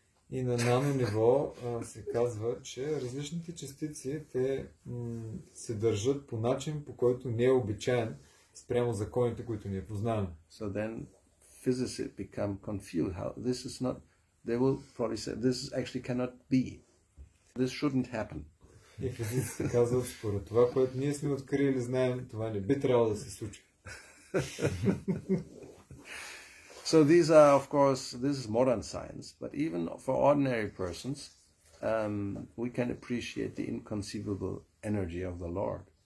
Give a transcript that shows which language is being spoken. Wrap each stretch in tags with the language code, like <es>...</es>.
<bg>И на нано ниво се казва, че различните частици се държат по начин, по който не е обичаен спрямо законите, които ние познаваме.</bg> <en>So then physicists become confused. How this is not, they will probably say this actually cannot be. This shouldn't happen.</en> <bg>И физиците казват, според това, което ние сме открили, знаем, това не би трябвало да се случи.</bg> <en>So these are, of course, this is modern science, but even for ordinary persons, we can appreciate the inconceivable energy of the Lord.</en>